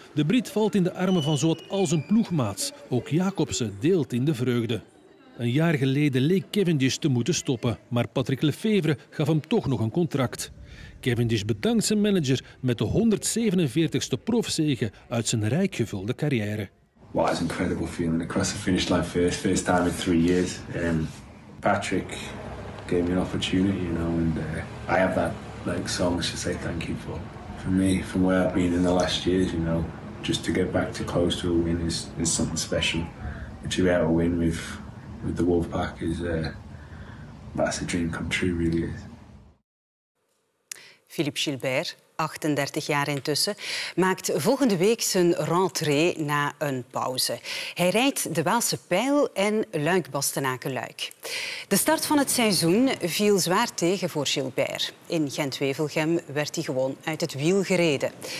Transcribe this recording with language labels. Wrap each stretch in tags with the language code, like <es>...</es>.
<nl>De Brit valt in de armen van zowat al zijn ploegmaats. Ook Jacobsen deelt in de vreugde. Een jaar geleden leek Cavendish te moeten stoppen, maar Patrick Lefevre gaf hem toch nog een contract. Cavendish bedankt zijn manager met de 147ste profzege uit zijn rijk gevulde carrière.</nl> <en>What an incredible feeling across the finish line first time in 3 years. Patrick gave me an opportunity, you know, and I have that like song to say thank you for me, from where I've been in the last years, you know, just to get back to close to a win is something special. And to be able to win with the Wolfpack is that's a dream come true, really is.</en> <nl>Philippe Gilbert, 38 jaar intussen, maakt volgende week zijn rentrée na een pauze. Hij rijdt de Waalse Pijl en Luik-Bastenaken-Luik. De start van het seizoen viel zwaar tegen voor Gilbert. In Gent-Wevelgem werd hij gewoon uit het wiel gereden.</nl>